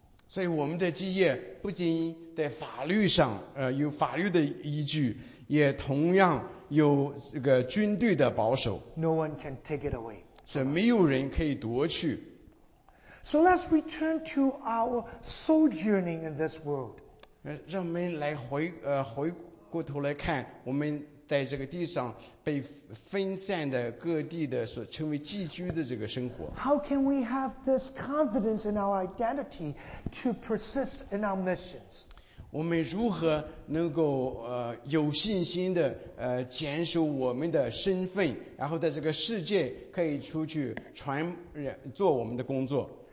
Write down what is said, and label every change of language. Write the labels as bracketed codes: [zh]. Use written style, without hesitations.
[zh] 所以我们的基业不仅在法律上有法律的依据，也同样有这个军队的保守。 [en] No one can take it away. [zh] 所以没有人可以夺去。 [en] So let's return to our sojourning in this world. [zh] 让我们来回过头来看我们在这个地上被分散的各地的所称为寄居的这个生活。 [en] How can we have this confidence in our identity to persist in our missions? [zh] 我们如何能够有信心的坚守我们的身份，然后在这个世界可以出去传做我们的工作。